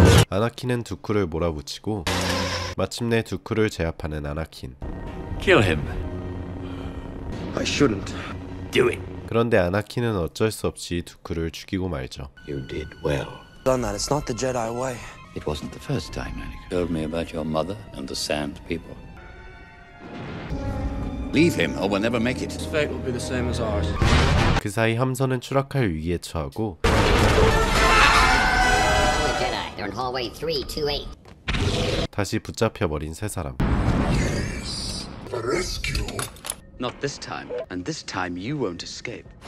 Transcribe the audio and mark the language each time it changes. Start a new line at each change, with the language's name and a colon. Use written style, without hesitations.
Korean: 아나킨은 두쿠를 몰아붙이고 마침내 두쿠를 제압하는 아나킨.
English: Kill him. I shouldn't. Do it.
Korean: 그런데 아나킨은 어쩔 수 없이 두쿠를 죽이고 말죠.
English: You did well. Done that. It's not the Jedi way. It wasn't the first time, Anakin. Told me about your mother and the sand people. Leave him, or we'll never make it. His fate will be the same as ours.
Korean: 그 사이 함선은 추락할 위기에 처하고.
English: Jedi, they're in hallway 328.
Korean: 다시 붙잡혀 버린 세 사람.
English: The rescue. Not this time, and this time you won't escape.